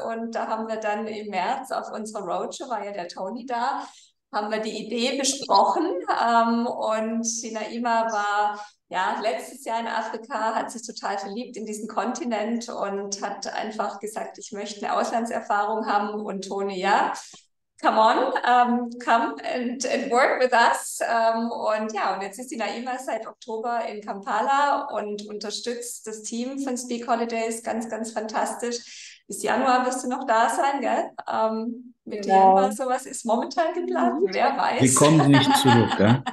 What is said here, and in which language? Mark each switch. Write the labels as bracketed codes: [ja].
[de] Und da haben wir dann im März auf unserer Roadshow, war ja der Tony da, haben wir die Idee besprochen. Und die Naima war ja letztes Jahr in Afrika, hat sich total verliebt in diesen Kontinent und hat einfach gesagt, ich möchte eine Auslandserfahrung haben. Und Toni, ja, [en] come on, come and work with us. [de] Und ja, und jetzt ist die Naima seit Oktober in Kampala und unterstützt das Team von Speak Holidays ganz, ganz fantastisch. Bis Januar wirst du noch da sein, gell? Mit Januar Genau. sowas ist momentan geplant, wer Sie kommen nicht zurück, gell?